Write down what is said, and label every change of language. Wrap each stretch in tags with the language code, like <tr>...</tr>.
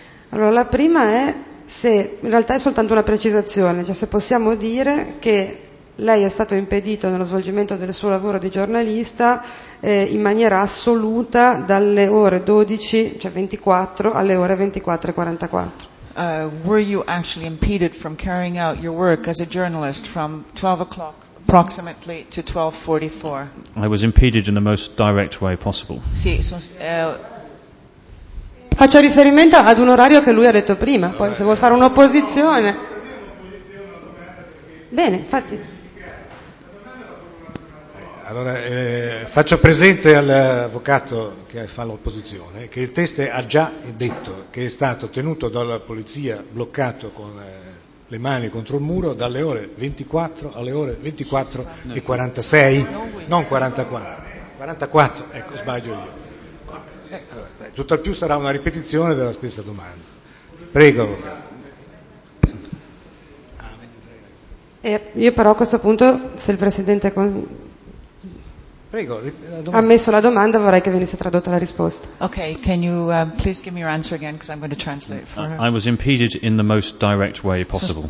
<it>Allora, la prima è se, in realtà è soltanto una precisazione, cioè se possiamo dire che lei è stato impedito nello svolgimento del suo lavoro di giornalista in maniera assoluta dalle ore 12, cioè 24, alle ore 24:44.</it> <en>Were you actually impeded from carrying out your work as a journalist from 12 o'clock approximately to 12:44? I was impeded in the most direct way possible.</en> <it>Sì, faccio riferimento ad un orario che lui ha detto prima, poi se vuol fare un'opposizione. Bene, infatti. Allora, faccio presente all'avvocato che fa l'opposizione che il teste ha già detto che è stato tenuto dalla polizia bloccato con le mani contro il muro dalle ore 24 alle ore 24:46, non 44, ecco, sbaglio io. Allora, tutto al più sarà una ripetizione della stessa domanda. Prego, avvocato. Io però a questo punto, se il Presidente prego, ha messo la domanda, vorrei che venisse tradotta la risposta.</it> <en>Ok, can you please give me your answer again, because I'm going to translate for her. I was impeded in the most direct way possible.</en>